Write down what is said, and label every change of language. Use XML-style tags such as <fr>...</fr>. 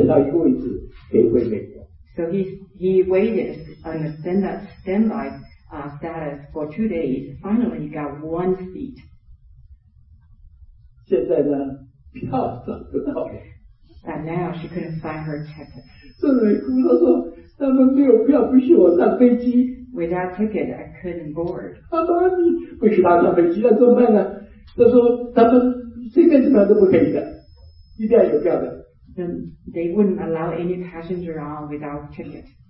<zh>所以呢，他就在那里standby，一直standby两三天，才终于等到一个位置可以回美国。</zh> <en>So he waited on a standby status for 2 days. Finally, he got one seat.</en> <zh>现在呢，票找不到。</zh> <en>And now she couldn't find her ticket.</en> <zh>甚至哭，他说他们没有票，不许我上飞机。</zh> <en>Without ticket, I couldn't board.</en> <zh>他说你不许他上飞机，那怎么办呢？他说他们随便怎么样都不可以的，一定要有票的。</zh> <en>They wouldn't allow any passenger on without ticket.</en>